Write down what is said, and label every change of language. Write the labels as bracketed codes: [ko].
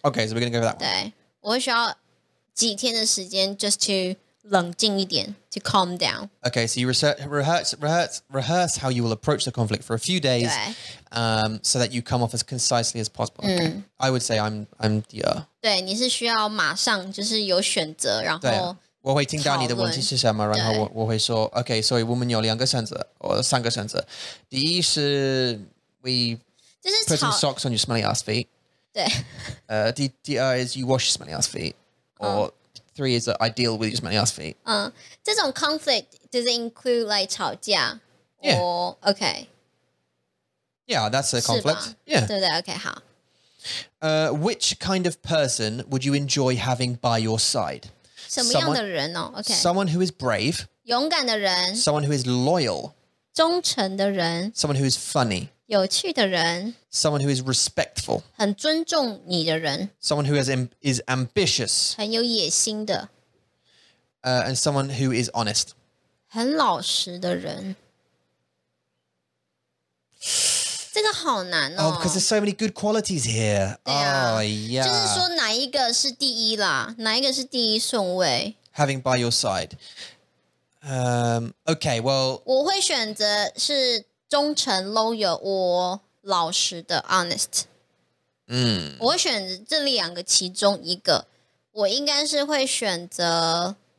[en] Okay, so we're going to go for that one. [zh] 对, 我会需要几天的时间 [en] just to [zh] 冷静一点, [en] to calm down. Okay, so you rehearse how you will approach the conflict for a few days, so that you come off as concisely as possible. Okay. I would say I'm the... [zh] 对,你是需要马上就是有选择, 然后... 我会听到你的问题是什么,然后我会说, [en] okay, sorry, [zh] 我们有两个选择,三个选择。第一是, [en] we put some socks on your smelly ass feet. [zh] 对。第二 [en] is you wash your smelly ass feet. Or three is I deal with your smelly ass feet. [zh] 这种 [en] conflict, does it include like [zh] 吵架? [en] Yeah. Or, okay. Yeah, that's a conflict. [zh] 是吧? [en] Yeah. [zh] 对对, okay, 好。 [en] Which kind of person would you enjoy having by your side? [zh] 什么样的人哦?Okay. [en] Someone who is brave. [zh] 勇敢的人. [en] Someone who is loyal. [zh] 忠诚的人. [en] Someone who is funny. [zh] 有趣的人. [en] Someone who is respectful. [zh] 很尊重你的人. [en] Someone who is ambitious. [zh] 很有野心的. [en] And someone who is honest. [zh] 很老实的人. 这个好难哦. [en] Oh, because there's so many good qualities here. [zh] 对啊, [en] oh, yeah. [zh] 就是说哪一个是第一啦, 哪一个是第一顺位? [en] Having by your side. Okay, well... [zh] 我会选择是忠诚, loyal, or 老实的, honest. 我会选择这两个其中一个, 我应该是会选择...